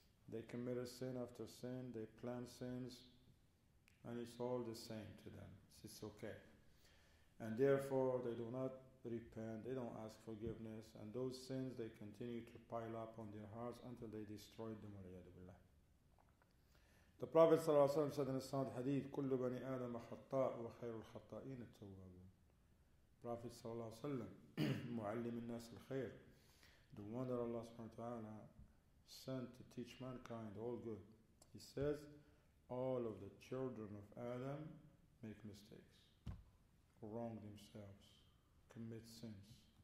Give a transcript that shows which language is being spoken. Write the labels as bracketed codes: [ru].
[en] They commit a sin after sin, they plan sins, and it's all the same to them. It's okay. And therefore, they do not repent, they don't ask forgiveness, and those sins, they continue to pile up on their hearts until they destroy them. The Prophet ﷺ said in a sound hadith, [ar] كل بني آدم خطاء وخير الخطائين التوابون. [en] Prophet ﷺ, [ar] معلم الناس الخير, [en] the one that Allah subhanahu wa ta'ala sent to teach mankind all good. He says, all of the children of Adam make mistakes, wrong themselves, commit sins.